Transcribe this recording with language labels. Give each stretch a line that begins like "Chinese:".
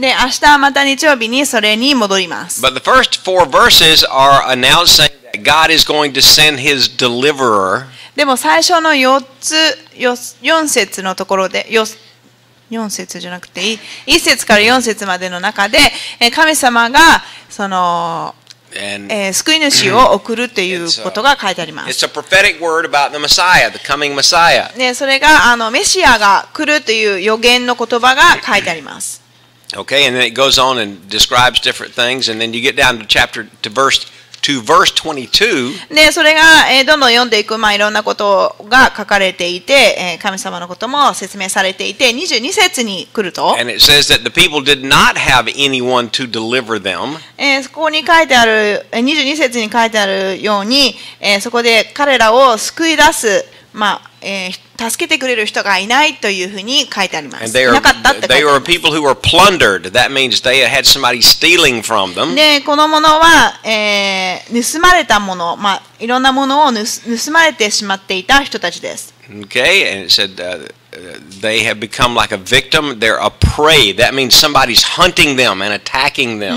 Japanese: で、明日また日曜日にそれに戻ります。
English: But the first four verses are announcing that God is going to send His deliverer.
Japanese: でも最初の4節じゃなくて、1節から4節までの中で、神様がその、救い主を送るということが書いてあります。
English: It's a prophetic word about the Messiah, the coming Messiah.
Japanese: ね、それがあのメシアが来るという予言の言葉が書いてあります。
English: Okay, and then it goes on and describes different things, and then you get down to chapter to verse. To verse 22,
Japanese: でそれが、どんどん読んでいく、まあ、いろんなことが書かれていて、神様のことも説明されていて22節に来ると、
English: And it says that the people did not have anyone to deliver them.
Japanese: そこに書いてある、22節に書いてあるように、そこで彼らを救い出す、まあ助けてくれる人がいないというふうに書いてあります。
English: They
Japanese: are, いなかったって書いてあります。
English: They were people who were plundered. That means they had somebody stealing from them.
Japanese: で、このものは、盗まれたもの、まあ、いろんなものを盗まれてしまっていた人たちです。
English: Okay, and it said, they have become like a victim. They're a prey. That means somebody's hunting them and attacking them.